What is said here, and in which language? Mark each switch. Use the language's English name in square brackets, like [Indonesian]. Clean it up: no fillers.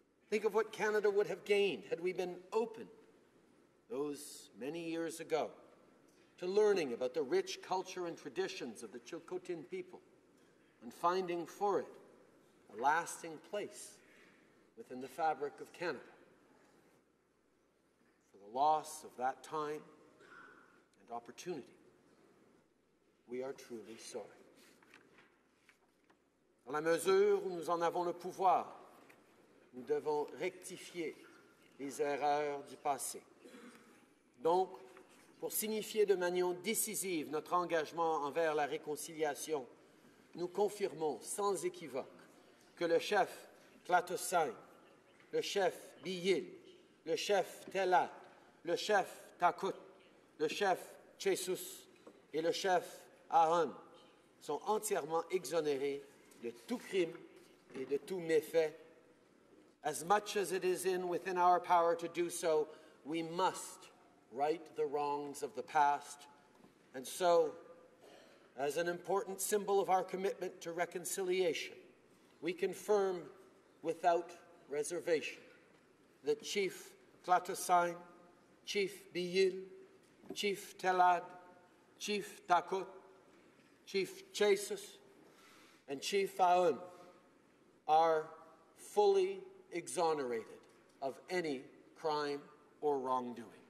[English] Think of what Canada would have gained had we been open those many years ago to learning about the rich culture and traditions of the Tsilhqot’in people and finding for it a lasting place within the fabric of Canada. For the loss of that time and opportunity, we are truly sorry. [French] À la mesure où nous en avons le pouvoir, nous devons rectifier les erreurs du passé. Donc, pour signifier de manière décisive notre engagement envers la réconciliation, nous confirmons sans équivoque que le chef Tlatosain, le chef Biyil, le chef Tela, le chef Takut, le chef Chesus et le chef Aaron sont entièrement exonérés de tout crime et de tout méfait. [English] As much as it is within our power to do so, we must right the wrongs of the past. And so, as an important symbol of our commitment to reconciliation, we confirm without reservation that Chief Tlatosain, Chief Biyil, Chief Telad, Chief Takut, Chief Chesus, and Chief Aun are fully exonerated of any crime or wrongdoing.